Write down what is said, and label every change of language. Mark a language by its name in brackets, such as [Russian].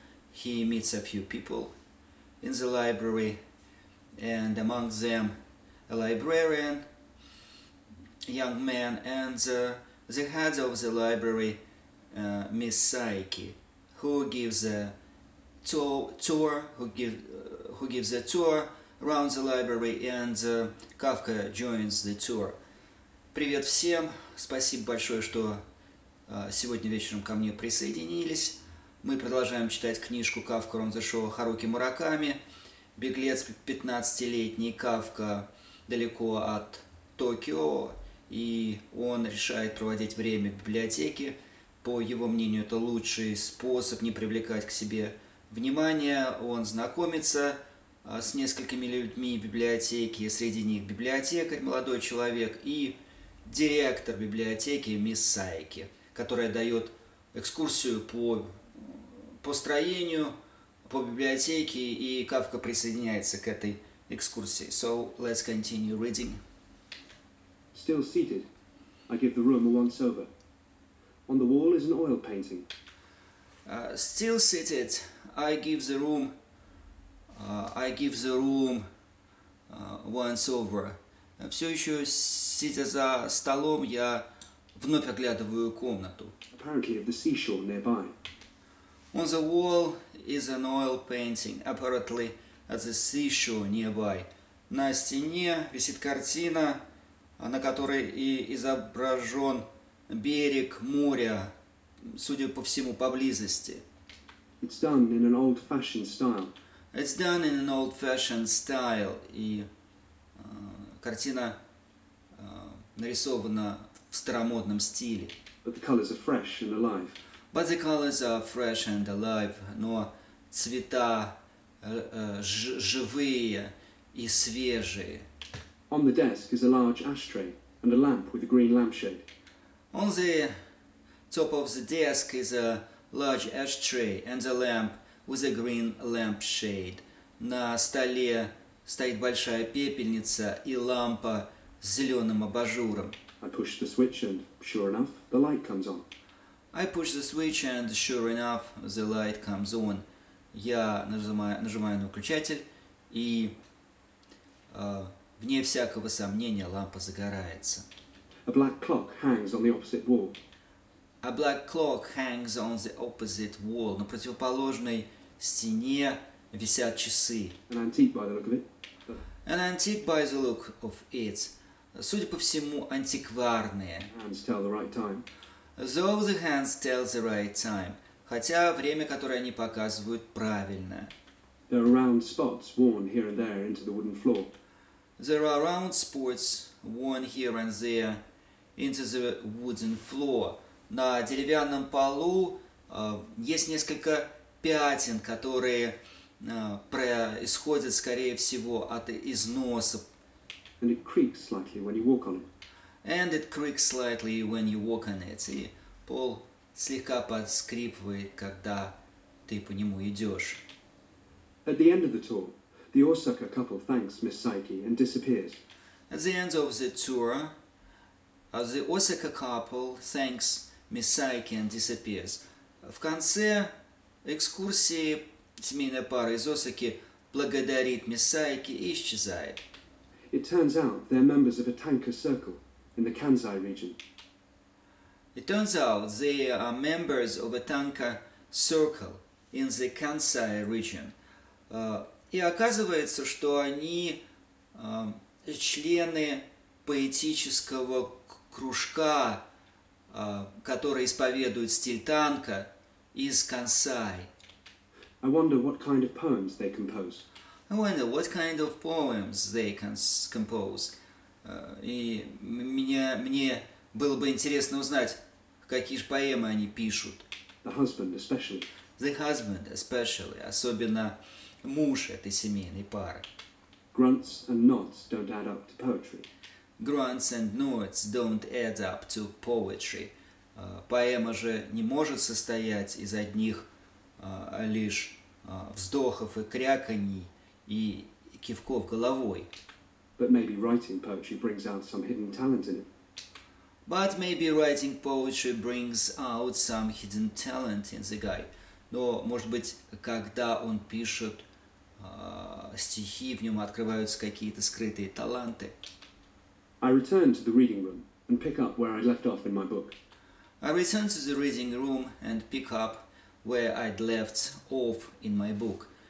[English] He meets a few people in the library, and among them a librarian, a young man, and the head of the library, Miss Saiki, who gives a tour around the library, and Kafka joins the tour. [Russian] Привет всем! Спасибо большое, что сегодня вечером ко мне присоединились. Мы продолжаем читать книжку «Кафка Рон Зашоу» Харуки Мураками. Беглец, 15-летний Кафка, далеко от Токио, и он решает проводить время в библиотеке. По его мнению, это лучший способ не привлекать к себе внимания. Он знакомится с несколькими людьми в библиотеке, среди них библиотекарь, молодой человек, и директор библиотеки мисс Саики, которая дает экскурсию по строению, по библиотеке, и Кафка присоединяется к этой экскурсии. [English] So, let's continue reading. Still seated, I give the room a once over. On the wall is an oil painting. Still seated, I give the room once over. [Russian] Все еще сидя за столом, я вновь оглядываю комнату. [English] Apparently of the seashore nearby. On the wall is an oil painting, apparently at the seashore nearby. [Russian] На стене висит картина, на которой и изображен берег моря, судя по всему, поблизости. [English] It's done in an old-fashioned style. It's done in an old-fashioned style. [Russian] И картина нарисована в старомодном стиле. [English] But the colors are fresh and alive. But the colors are fresh and alive, [Russian] но цвета живые и свежие. [English] On the desk is a large ashtray and a lamp with a green lampshade. On the top of the desk is a large ashtray and a lamp with a green lampshade. [Russian] На столе стоит большая пепельница и лампа с зеленым абажуром. [English] I push the switch and, sure enough, the light comes on. I push the switch and, sure enough, the light comes on. [Russian] Я нажимаю на выключатель, и, вне всякого сомнения, лампа загорается. [English] A black clock hangs on the opposite wall. A black clock hangs on the opposite wall. [Russian] На противоположной стене висят часы. [English] An antique by the look of it. An antique by the look of it. [Russian] Судя по всему, антикварные. [English] Hands tell the right time. Though the hands tell the right time, [Russian] хотя время, которое они показывают, правильно. [English] There are round spots worn here and there into the wooden floor. There are round spots worn here and there into the wooden floor. [Russian] На деревянном полу есть несколько пятен, которые происходят, скорее всего, от износа. [English] And it creaks slightly when you walk on it. And it creaks slightly when you walk on it. [Russian] И пол слегка подскрипывает, когда ты по нему идешь. [English] At the end of the tour, the Osaka couple thanks Miss Saiki and disappears. At the end of the tour, the Osaka couple thanks Miss Saiki and disappears. [Russian] В конце экскурсии семейная пара из Осаки благодарит Miss Saiki и исчезает. [English] It turns out they're members of a tanker circle in the Kansai region. It turns out they are members of a tanker circle in the Kansai region. [Russian] И оказывается, что они члены поэтического кружка, который исповедует стиль танка, из Кансай. [English] I wonder what kind of poems they compose. I wonder what kind of poems they compose. [Russian] И мне было бы интересно узнать, какие же поэмы они пишут. [English] The husband especially. The husband especially, [Russian] особенно муж этой семейной пары. [English] Grunts and nods don't add up to poetry. Grunts and nods don't add up to poetry. [Russian] Поэма же не может состоять из одних лишь вздохов и кряканий и кивков головой. [English] But maybe writing poetry brings out some hidden talent in it. But maybe writing poetry brings out some hidden talent in the guy. [Russian] Но, может быть, когда он пишет стихи, в нем открываются какие-то скрытые таланты. [English] I return to the reading room and pick up where I left off in my book. I return to the reading room and pick up where I'd left off in my book.